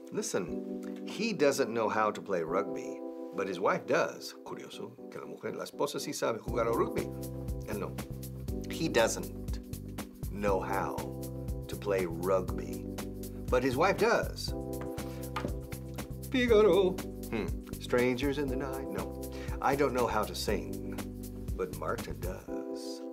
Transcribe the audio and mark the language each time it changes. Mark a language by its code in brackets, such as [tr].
[en] Listen, he doesn't know how to play rugby, but his wife does. [es] Curioso, que la mujer, la esposa sí sabe jugar al rugby. Él no. [en] He doesn't know how to play rugby, but his wife does. Figaro. Strangers in the night? No. I don't know how to sing, but Marta does.